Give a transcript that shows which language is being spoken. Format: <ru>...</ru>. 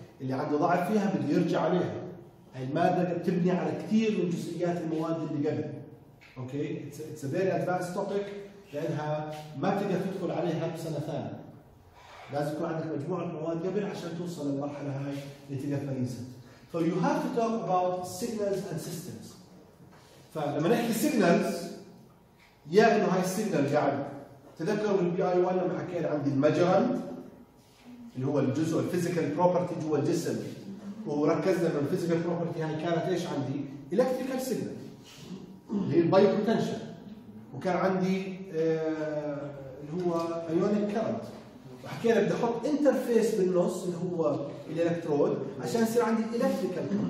<ar>اللي عنده ضعف فيها بده يرجع عليها. المادة بتبني على كثير من جزئيات المواد اللي قبل. اوكي؟</ar> <en>it's a very advance topic</en> <ar>لانها ما بتقدر تدخل عليها بسنة ثانية. لازم يكون عندك مجموعة مواد قبل عشان توصل للمرحلة هاي اللي تقدر تميزها.</ar> <en>So you have to talk about signals and systems.</en> <ar>فلما نحكي signals يا انه هاي السيجنال قاعد تذكروا بالبي اي 1 لما حكينا عن المجرند اللي هو الجزء الفيزيكال بروبرتي جوا الجسم. وركزنا من الفيزيكال بروبرتي يعني كانت ايش عندي؟ الكتريكال سيجنال اللي هي البايو بوتنشال وكان عندي اللي هو ايونيك كارنت وحكينا بدي احط انترفيس بالنص اللي هو الالكترود عشان يصير عندي الكتريكال</ar>